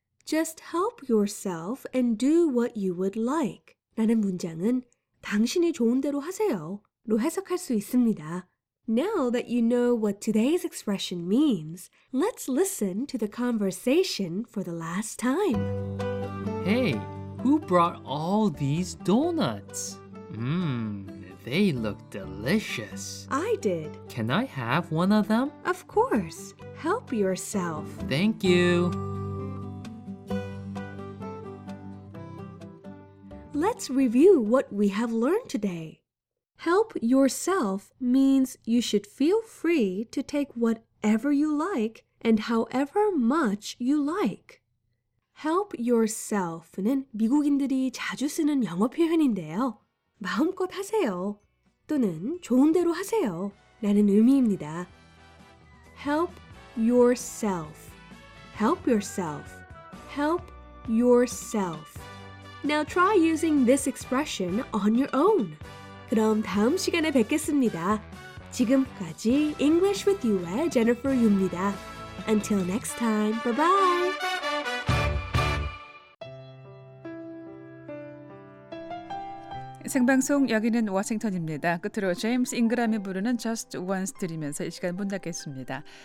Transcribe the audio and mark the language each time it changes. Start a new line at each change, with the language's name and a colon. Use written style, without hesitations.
English: Just help yourself and do what you would like.
Korean: 라는 문장은 당신이 좋은 대로 하세요 로 해석할 수 있습니다.
English: Now that you know what today's expression means, let's listen to the conversation for the last time. Hey, who brought all these donuts? Mmm, they look delicious. I did. Can I have one of them? Of course. Help yourself. Thank you. Let's review what we have learned today. Help yourself means you should feel free to take whatever you like and however much you like.
Korean: Help yourself는 미국인들이 자주 쓰는 영어 표현인데요. 마음껏 하세요 또는 좋은 대로 하세요 라는 의미입니다.
English: Help yourself. Help yourself. Help yourself. Now try using this expression on your own.
Korean: 그럼 다음 시간에 뵙겠습니다. 지금까지 English with You의 Jennifer Yu입니다.
English: Until next time, bye-bye!
Korean: Sengbangsong, 여기는 워싱턴입니다. 끝으로 제임스 잉그람이 부르는 Just Once 들으면서 이 시간 문 닫겠습니다.